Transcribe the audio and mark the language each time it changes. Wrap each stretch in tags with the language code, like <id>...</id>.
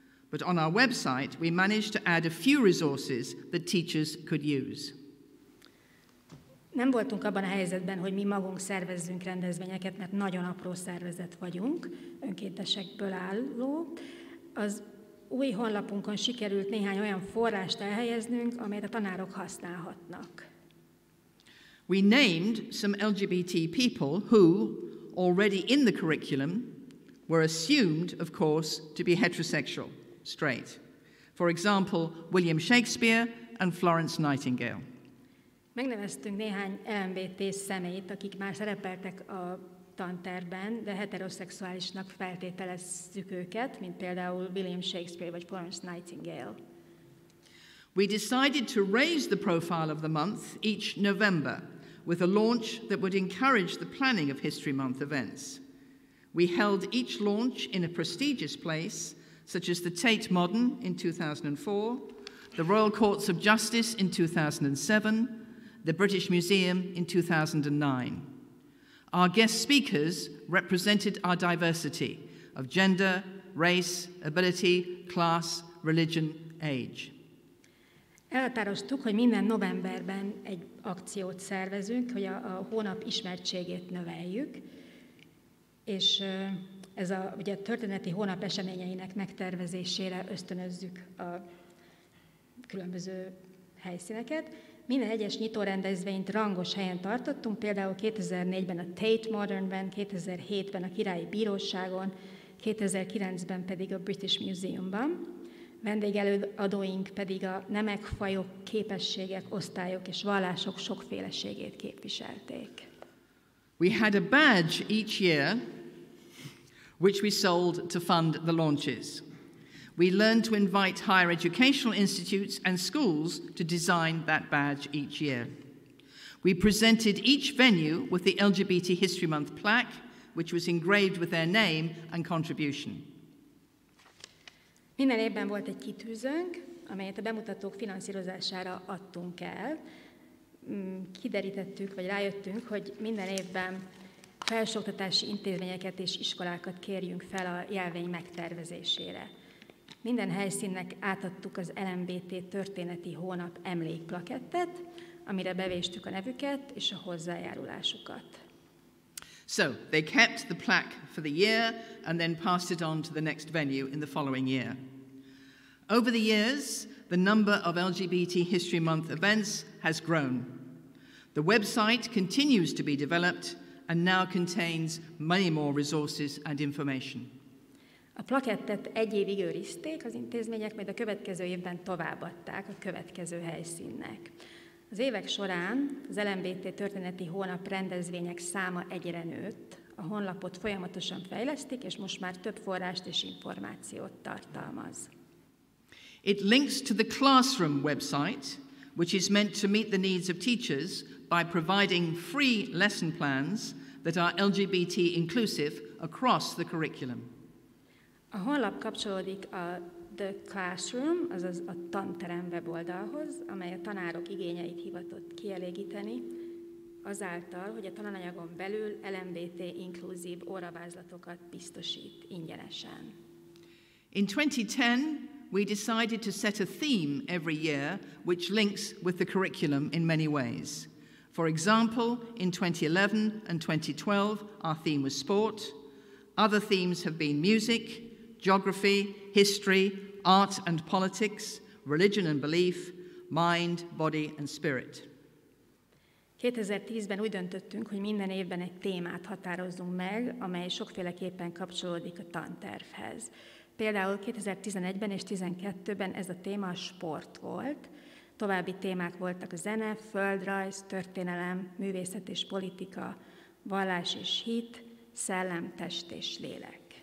<en>But on our website, we managed to add a few resources that teachers could use.</en> <hu>Nem voltunk abban a helyzetben, hogy mi magunk szervezzünk rendezvényeket, mert nagyon apró szervezet vagyunk, önkéntesekből álló. Az új honlapunkon sikerült néhány olyan forrást elhelyeznünk, amelyet a tanárok használhatnak.</hu> <en>We named some LGBT people who, already in the curriculum, were assumed, of course, to be heterosexual, straight. For example, William Shakespeare and Florence Nightingale.</en> <hu>Megneveztünk néhány LMBT személyt, akik már szerepeltek a tanterben, de heteroszexuálisnak feltételezzük őket, mint például William Shakespeare vagy Florence Nightingale.</hu> <en>We decided to raise the profile of the month each November with a launch that would encourage the planning of History Month events. We held each launch in a prestigious place, such as the Tate Modern in 2004, the Royal Courts of Justice in 2007, the British Museum in 2009. Our guest speakers represented our diversity of gender, race, ability, class, religion, age.</en> <hu>Elhatároztuk, hogy minden novemberben egy akciót szervezünk, hogy a hónap ismertségét növeljük, és ez a, ugye, a történeti hónap eseményeinek megtervezésére ösztönözzük a különböző helyszíneket. Minden egyes nyitórendezvényt rangos helyen tartottunk, például 2004-ben a Tate Modernben, 2007-ben a Királyi Bíróságon, 2009-ben pedig a British Museumban. Vendégelőadóink pedig a nemek, fajok, képességek, osztályok és vallások sokféleségét képviselték.</hu> <en>We had a badge each year, which we sold to fund the launches. We learned to invite higher educational institutes and schools to design that badge each year. We presented each venue with the LGBT History Month plaque, which was engraved with their name and contribution.</en> <hu>Minden évben volt egy kitűzőnk, amelyet a bemutatók finanszírozására adtunk el. Kiderítettük, vagy rájöttünk, hogy minden évben felsőoktatási intézményeket és iskolákat kérjünk fel a jelvény megtervezésére. Minden helyszínnek átadtuk az LMBT Történeti Hónap emlékplakettet, amire bevéstük a nevüket és a hozzájárulásukat.</hu> <en>So, they kept the plaque for the year and then passed it on to the next venue in the following year. Over the years, the number of LGBT History Month events has grown. The website continues to be developed and now contains many more resources and information.</en> <hu>A plakettet egy évig őrizték az intézmények, majd a következő évben továbbadták a következő helyszínnek. Az évek során az LMBT Történeti Hónap rendezvények száma egyre nőtt, a honlapot folyamatosan fejlesztik, és most már több forrást és információt tartalmaz.</hu> <en>It links to the classroom website, which is meant to meet the needs of teachers by providing free lesson plans that are LGBT inclusive across the curriculum.</en> <hu>A honlap kapcsolódik a The Classroom, azaz a tanterem weboldalhoz, amely a tanárok igényeit hivatott kielégíteni, azáltal, hogy a tananyagon belül LMBT inkluzív óravázlatokat biztosít ingyenesen.</hu> <en>In 2010, we decided to set a theme every year which links with the curriculum in many ways. For example, in 2011 and 2012, our theme was sport. Other themes have been music, geography, history, art and politics, religion and belief, mind, body and spirit.</en> <hu>2010-ben úgy döntöttünk, hogy minden évben egy témát határozzunk meg, amely sokféleképpen kapcsolódik a tantervhez. Például 2011-ben és 2012-ben ez a téma a sport volt. További témák voltak a zene, földrajz, történelem, művészet és politika, vallás és hit, szellem, test és lélek.</hu>